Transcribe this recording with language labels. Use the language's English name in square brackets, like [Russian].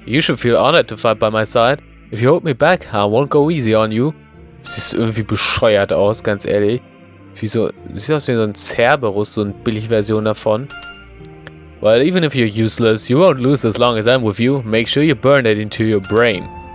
[English] You should feel honored to fight by my side. If you hold me back, I won't go easy on you. [German] Sieht irgendwie bescheuert aus, ganz ehrlich. Wieso? Sieht aus wie so ein Cerberus, so eine Billigversion davon. [English] Well, even if you're useless, you won't lose as long as I'm with you. Make sure you burn it into your brain.